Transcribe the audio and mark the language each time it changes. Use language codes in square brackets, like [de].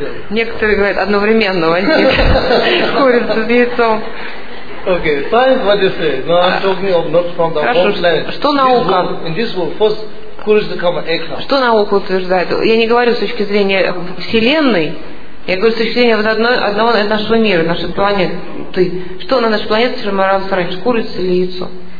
[ru] Некоторые говорят, одновременно возникло курица с яйцом. [en] Okay, science, what you say? No, I'm talking of not from the whole planet. [ru] Что наука? [en] In this world, first, курица come, egg come. [ru] Что наука утверждает? Я не говорю с точки зрения Вселенной. Я говорю, с точки зрения вот одного нашего мира, нашей планеты. Что на нашей планете формировалось раньше, курица или яйцо?